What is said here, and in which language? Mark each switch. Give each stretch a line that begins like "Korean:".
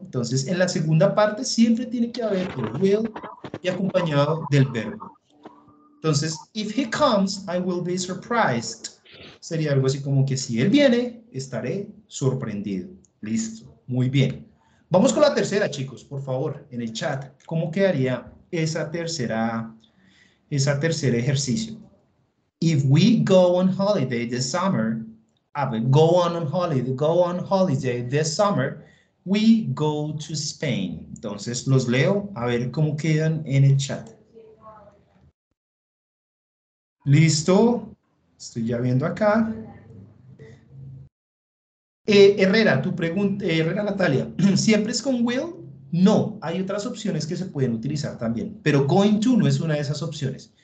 Spanish: Entonces, en la segunda parte siempre tiene que haber el will y acompañado del verbo.
English: Entonces, if he comes, I will be surprised.
Spanish: Sería algo así como que si él viene, estaré sorprendido. Listo. Muy bien. Vamos con la tercera, chicos, por favor, en el chat. ¿Cómo quedaría ese tercer ejercicio?
English: If we go on holiday this summer, go on holiday this summer, we go to Spain.
Spanish: Entonces, los leo a ver cómo quedan en el chat. Listo. Estoy ya viendo acá. Herrera, tu pregunta, Herrera Natalia, ¿siempre es con will? No, hay otras opciones que se pueden utilizar también, pero going to no es una de esas opciones.